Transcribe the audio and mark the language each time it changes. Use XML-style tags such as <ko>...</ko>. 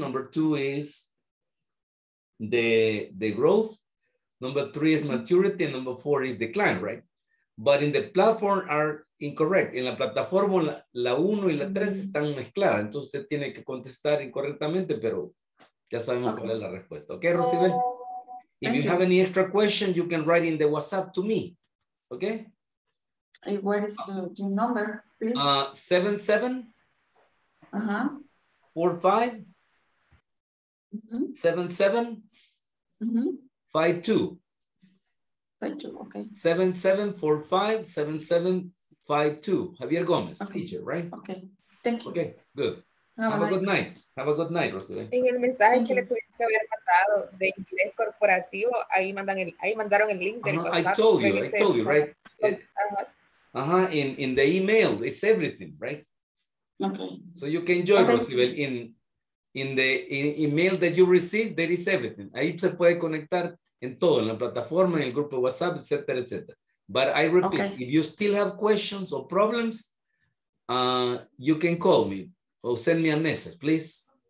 <en>Number two is the growth. Number three is maturity. And number four is decline, right? But in the platform are incorrect.</en> <es>En la plataforma, la uno y la tres están mezcladas. Entonces usted tiene que contestar incorrectamente, pero ya sabemos cuál es la respuesta.</es> <en>Okay, Rosibel? If you have any extra questions, you can write in the WhatsApp to me. Okay? What is the number, please? 77. Uh-huh. 45. Mm-hmm. 77. Mm-hmm. 52. 52, okay. 7745 7752. Javier Gomez, teacher, right? Okay. Thank you. Okay, good. Have a good night. Have a good night, Rosalie.</en> <es>En el mensaje que le tuviste que haber mandado de Inglés Corporativo, ahí mandaron el link.</es> <en>I told you, right? In the email, it's everything, right? Okay. So you can join, Rosibel. In the email that you receive, there is everything.</en> <es>Ahí se puede conectar en todo, en la plataforma, en el grupo WhatsApp, etc., etc.</es> <en>But I repeat, if you still have questions or problems, you can call me or send me a message, please.</en>